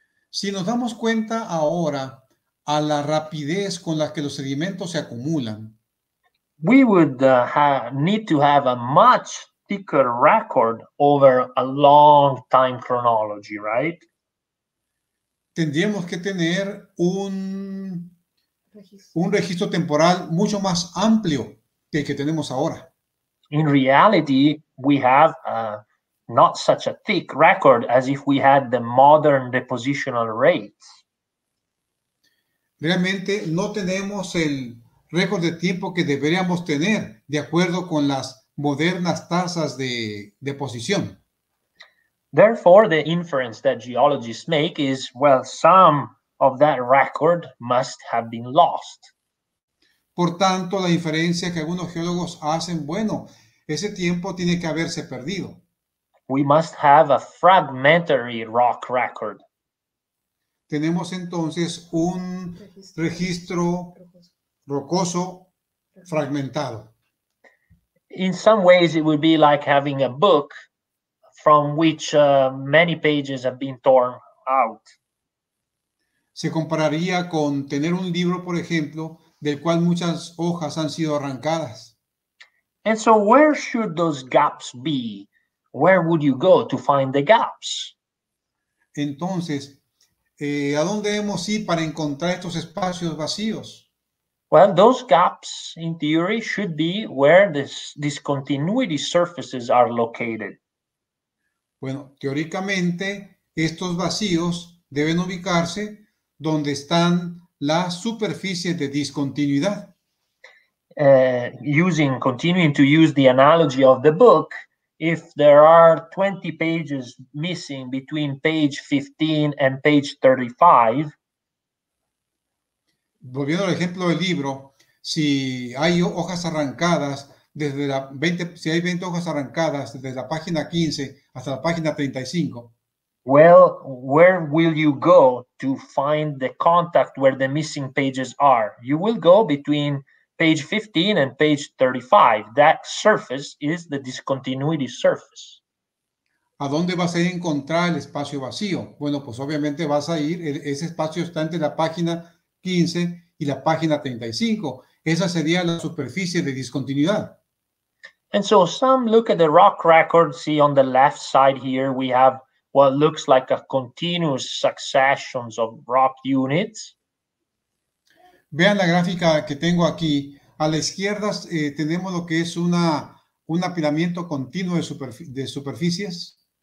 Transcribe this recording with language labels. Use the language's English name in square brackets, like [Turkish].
[Spanish] Si nos damos cuenta ahora a la rapidez con la que los sedimentos se acumulan, [English] we would need to have a much thicker record over a long time chronology, right? [Spanish] Tendríamos que tener un registro temporal mucho más amplio que el que tenemos ahora. [English] In reality, we have not such a thick record as if we had the modern depositional rates. [Spanish] Realmente no tenemos el récord de tiempo que deberíamos tener de acuerdo con las modernas tasas de deposición. [English] Therefore, the inference that geologists make is, well, some of that record must have been lost. [Spanish] Por tanto, la inferencia que algunos geólogos hacen, bueno, ese tiempo tiene que haberse perdido. [English] We must have a fragmentary rock record. [Spanish] Tenemos entonces un registro rocoso fragmentado. [English] In some ways, it would be like having a book from which many pages have been torn out. [Spanish] Se compararía con tener un libro, por ejemplo, del cual muchas hojas han sido arrancadas. [English] And so where should those gaps be? Where would you go to find the gaps? [Spanish] Entonces, ¿a dónde debemos ir para encontrar estos espacios vacíos? [English] Well, those gaps, in theory, should be where the discontinuity surfaces are located. [Spanish] Bueno, teóricamente, Estos vacíos deben ubicarse donde están las superficies de discontinuidad. [English] Continuing to use the analogy of the book, if there are 20 pages missing between page 15 and page 35. [Spanish] Volviendo al ejemplo del libro, si hay hojas arrancadas desde la 20, si hay 20 hojas arrancadas desde la página 15 hasta la página 35. [English] Well, where will you go to find the contact where the missing pages are? You will go between page 15 and page 35. That surface is the discontinuity surface. [Spanish] ¿A dónde vas a encontrar el espacio vacío? Bueno, pues obviamente vas a ir, ese espacio está entre la página 15 y la página 35. Esa sería la superficie de discontinuidad. [English] And so some look at the rock record. See on the left side here, we have what looks like a continuous succession of rock units. [Spanish] Vean la gráfica que tengo aquí. A la izquierda tenemos lo que es un apilamiento continuo de superficies.